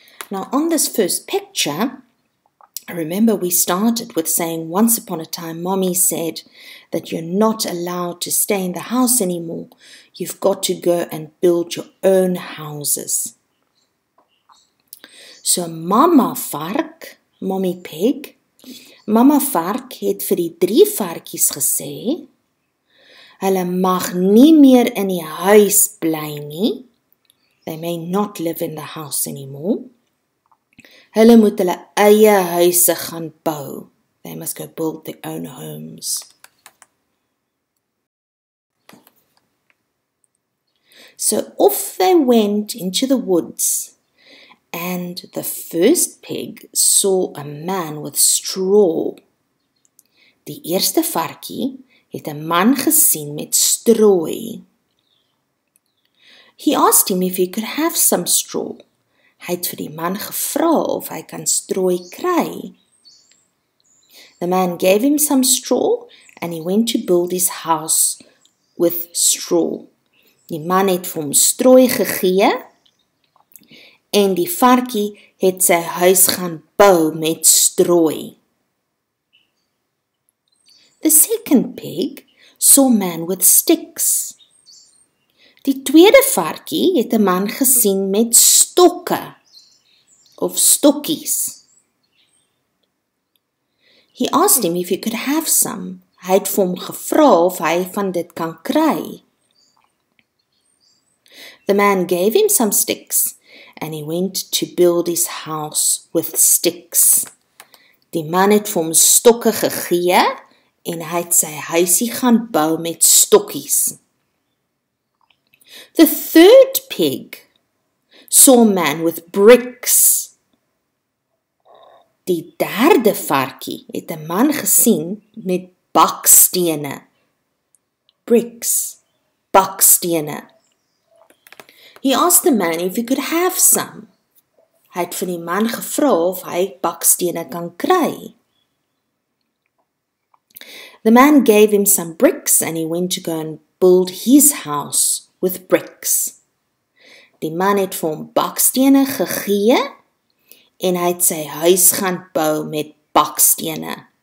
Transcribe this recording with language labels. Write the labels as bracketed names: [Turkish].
[English] Now, on this first picture, remember we started with saying, once upon a time, Mommy said that you're not allowed to stay in the house anymore. You've got to go and build your own houses. [Afrikaans] So, Mama Vark, Mommy Pig, Mama Vark het vir die drie varkies gesê, hulle mag nie meer in die huis bly nie. [English] They may not live in the house anymore. [Afrikaans] Hulle moet hulle eie huise gaan bou. [English] They must go build their own homes. So off they went into the woods, and the first pig saw a man with straw. [Afrikaans] Die eerste varkie het 'n man gesien met strooi. [English] He asked him if he could have some straw. [Afrikaans] Hy het vir die man gevra of hy kan strooi kry. [English] The man gave him some straw and he went to build his house with straw. [Afrikaans] Die man het vir hom strooi gegee en die varkie het sy huis gaan bou met strooi. [English] The second pig saw man with sticks. [Afrikaans] Die tweede varkie het 'n man gesien met stokke of stokkies. [English] He asked him if he could have some. [Afrikaans] Hy het vir hom gevra of hy van dit kan kry. [English] The man gave him some sticks and he went to build his house with sticks. [Afrikaans] Die man het vir hom stokke gegee en hy het sy huisie gaan bou met stokkies. [English] The third pig saw a man with bricks. [Afrikaans] Die derde varkie het 'n man gesien met bakstene. Bricks, bakstene. [English] He asked the man if he could have some. [Afrikaans] Hy het van die man gevra of hy bakstene kan kry. [English] The man gave him some bricks and he went to go and build his house with bricks. [Afrikaans] Die man het vir hom bakstene gegee en hy het sy huis gaan bou met bakstene.